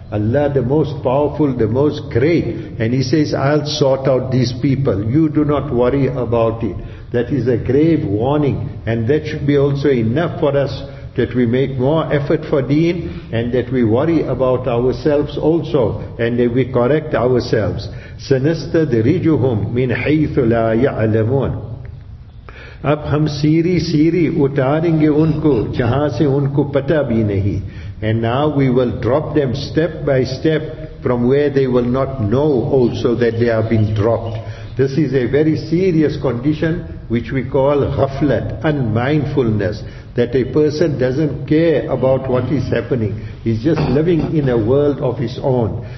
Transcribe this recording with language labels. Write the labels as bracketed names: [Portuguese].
[English] Allah, the most powerful, the most great, and he says, I'll sort out these people, you do not worry about it. That is a grave warning, and that should be also enough for us, that we make more effort for deen, and that we worry about ourselves also, and that we correct ourselves. [Arabic] سَنَسْتَدْرِجُهُمْ مِنْ حَيْثُ لَا يَعْلَمُونَ. [Urdu] اب ہم سیری سیری اتاریں گے ان کو جہاں سے ان کو پتا بھی نہیں. [English] And now we will drop them step by step from where they will not know also that they have been dropped. This is a very serious condition which we call ghaflat, unmindfulness. That a person doesn't care about what is happening. He's just living in a world of his own.